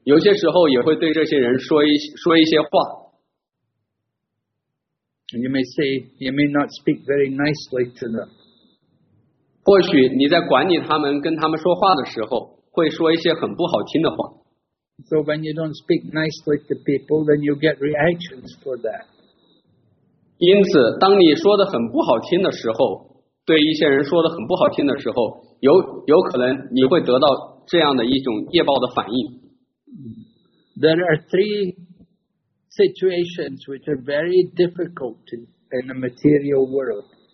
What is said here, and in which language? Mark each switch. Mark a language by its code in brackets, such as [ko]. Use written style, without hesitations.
[zh] 因为管理一些人，你就要看着这些人，有些时候也会对这些人说一些话。 [en] And you may say, you may not speak very nicely to them. [zh] 或许你在管理他们，跟他们说话的时候，会说一些很不好听的话。 [en] So when you don't speak nicely to people, then you get reactions for that. [zh] 因此，当你说的很不好听的时候， 对一些人说的很不好听的时候，有可能你会得到这样的一种业报的反应。 [en] There are three situations which are very difficult in the material world.